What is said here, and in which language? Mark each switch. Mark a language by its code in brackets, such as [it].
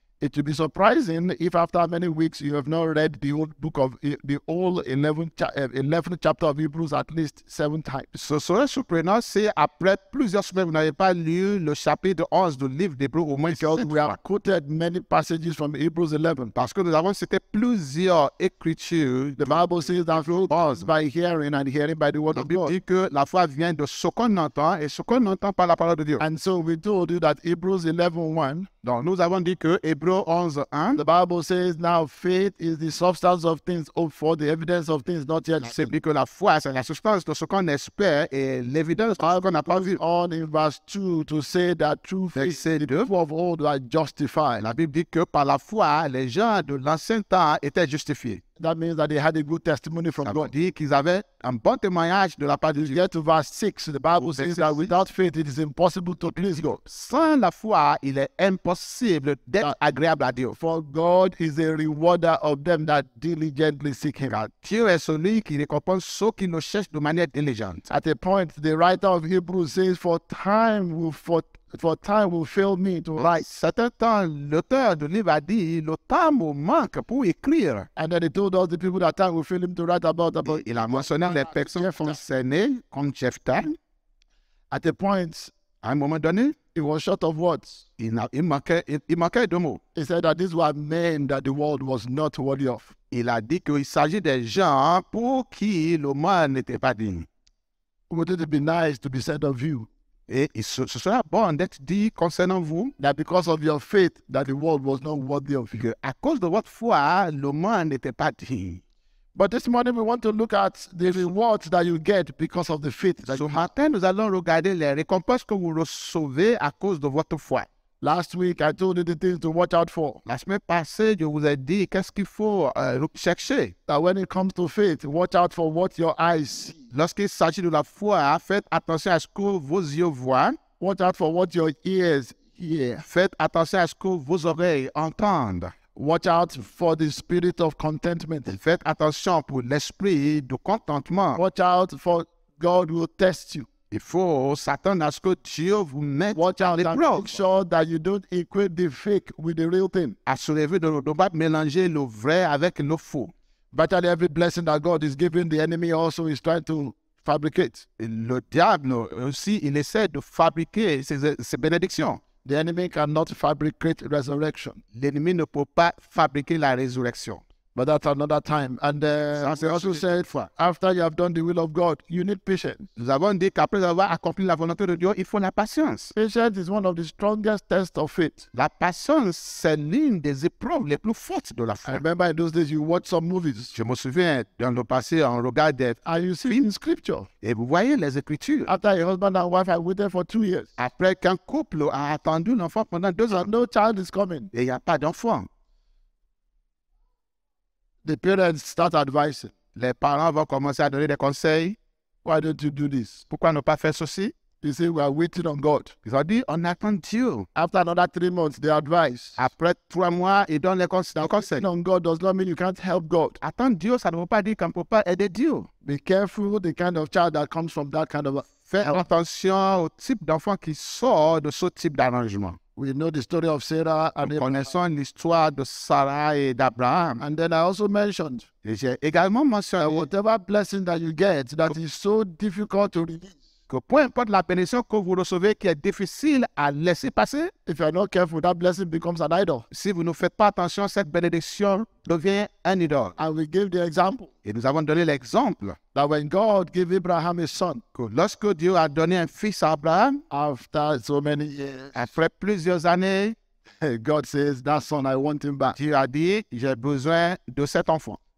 [en] It will be surprising if after many weeks you have not read the old book of the old 11th chapter of Hebrews at least 7 times. [fr] Ce serait surprenant si après plusieurs semaines vous n'avez pas lu le chapitre 11 du livre d'Hébreux au moins 7 fois. [en] We have quoted many passages from Hebrews 11. [fr] Parce que nous avons cité plusieurs écritures. [en] The Bible says that faith comes by hearing and hearing by the word of God. [fr] La Bible dit que la foi vient de ce qu'on entend et ce qu'on entend par la parole de Dieu. [en] And so we told you that Hebrews 11:1. [fr] Donc nous avons dit que Hébreux 11, hein? [en] The Bible says now faith is the substance of things hoped for, the evidence of things not yet seen. [fr] Because la foi, c'est la substance de ce qu'on espère et l'évidence de ce qu'on n'a pas vu. [en] On in verse 2 to say that true faith, said, the people of old are justified. [fr] La Bible dit que par la foi, les gens de l'ancien temps étaient justifiés. [en] That means that they had a good testimony from [fr] ça [en] God. [fr] Dit qu'ils avaient un bon témoignage de la part de Dieu. [en] Get to verse 6, the Bible au says that without faith it is impossible to please God. [fr] Sans la foi, il est impossible d'être agréable à Dieu. [en] For God is a rewarder of them that diligently seek Him. [fr] Car Dieu est celui qui récompense ceux qui nous cherchent de manière diligente. [en] At a point, the writer of Hebrews says, For time will fail me to write. [fr] Certain temps, l'auteur du livre a dit, le temps me manque pour écrire. [en] And then he told all the people that time will fail him to write about. [fr] Il a mentionné les personnes concernées comme Jephthah. [en] At a point, [fr] à un moment donné, [en] he was short of words. [fr] Il manquait deux mots. [en] He said that these were men that the world was not worthy of. [fr] Il a dit qu'il s'agit des gens pour qui le mal n'était pas digne. [en] Wouldn't it be nice to be said of you? [fr] Et ce sera bon d'être dit concernant vous [en] that because of your faith that the world was not worthy of you. [fr] À cause de votre foi, le monde n'était pas digne. [en] But this morning we want to look at the rewards that you get because of the faith. [fr] Ce matin, nous allons regarder les récompenses que vous recevez à cause de votre foi. [en] Last week, I told you the things to watch out for. [fr] La semaine passée, je vous ai dit qu'est-ce qu'il faut chercher. [en] That when it comes to faith, watch out for what your eyes see. [fr] Lorsqu'il s'agit de la foi, faites attention à ce que vos yeux voient. [en] Watch out for what your ears hear. [fr] Faites attention à ce que vos oreilles entendent. [en] Watch out for the spirit of contentment. [fr] Faites attention pour l'esprit de contentement. [en] Watch out for God will test you. [fr] Il faut s'attendre à ce que Dieu vous mette à l'épreuve. [en] Watch out and make sure that you don't equate the fake with the real thing. [fr] Assurez-vous de ne pas mélanger le vrai avec le faux. [en] Virtually every blessing that God is giving, the enemy also is trying to fabricate. [fr] Le diable aussi, il essaie de fabriquer ses bénédictions. [en] The enemy cannot fabricate resurrection. [fr] L'ennemi ne peut pas fabriquer la résurrection. [en] But that's another time. And we also said, after you have done the will of God, you need patience. [fr] Nous avons dit qu'après avoir accompli la volonté de Dieu, il faut la patience. [en] Patience is one of the strongest tests of faith. [fr] La patience, c'est l'une des épreuves les plus fortes de la foi. [en] I remember in those days, you watch some movies. [fr] Je me souviens, dans le passé, on regardait films. [en] And you see in scripture. [fr] Et vous voyez les écritures. [en] After a husband and wife had waited for 2 years. [fr] Après qu'un couple a attendu l'enfant pendant 2 ans. [en] No child is coming. [fr] Et il n'y a pas d'enfant. [en] The parents start advising. [fr] Les parents vont commencer à donner des conseils. [en] Why don't you do this? [fr] Pourquoi ne pas faire ceci? [en] They say we are waiting on God. [fr] Ils ont dit on attend Dieu. [en] After another 3 months, they advise. [fr] Après 3 mois, ils donnent les conseils. [en] Waiting on God does not mean you can't help God. [fr] Attendre Dieu, ça ne veut pas dire qu'on ne peut pas aider Dieu. [en] Be careful the kind of child that comes from that kind of. [fr] Faites attention au type d'enfant qui sort de ce type d'arrangement. [en] We know the story of Sarah and [fr] Abraham. Connaissons l'histoire de Sarah et d'Abraham. [en] And then I also mentioned. [fr] Et j'ai également mentionné. [en] That whatever blessing that you get that is so difficult to release. [fr] Que peu importe la bénédiction que vous recevez qui est difficile à laisser passer. [en] If you are not careful, that blessing becomes an idol. [fr] Si vous ne faites pas attention, cette bénédiction devient un idole. [en] And we give the example. [fr] Et nous avons donné l'exemple. [en] That when God gave Abraham a son. [fr] Que lorsque Dieu a donné un fils à Abraham. [en] After so many years. [fr] Après plusieurs années. [en] God says, that son, I want him back. [fr] Dieu a dit, j'ai besoin de cet enfant.